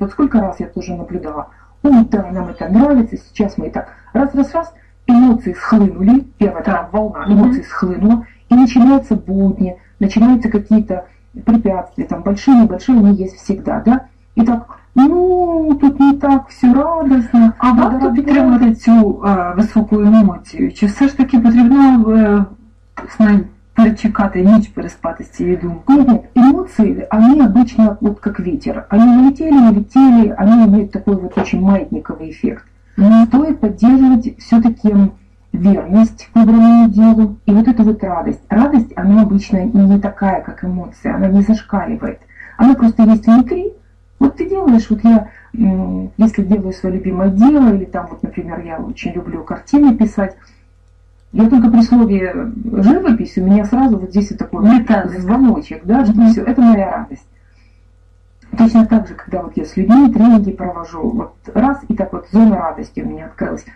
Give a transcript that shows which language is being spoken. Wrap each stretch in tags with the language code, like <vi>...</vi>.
<ru>Вот сколько раз я тоже наблюдала. Да, нам это нравится, сейчас мы и так. Раз-раз-раз, эмоции схлынули. Первая там волна эмоций схлынула. И начинаются будни, начинаются какие-то препятствия. Там большие, небольшие, они есть всегда, да? И так, тут не так все радостно.</ru> <uk>А варто підтримувати цю високу емоцію? Чи все ж таки потрібно перечекати, ніч переспати з цією думкою? Ні, емоції, вони обычно от як вітер. Вони летіли, не летіли, вони мають такий вот дуже маятниковий ефект. Не стоїть підтримувати все-таки вірність в обраному ділу і вот эту вот радость. Радость, вона обычно не така, як емоція, вона не зашкалює. Вона просто є внутрі. Вот ти</uk> <ru>знаешь, вот я, если делаю свое любимое дело, или там вот, например, я очень люблю картины писать, я только при слове живопись, у меня сразу вот здесь вот такой звоночек, да, что все, это моя радость. Точно так же, когда вот я с людьми тренинги провожу, вот раз, и так вот зона радости у меня открылась.</ru>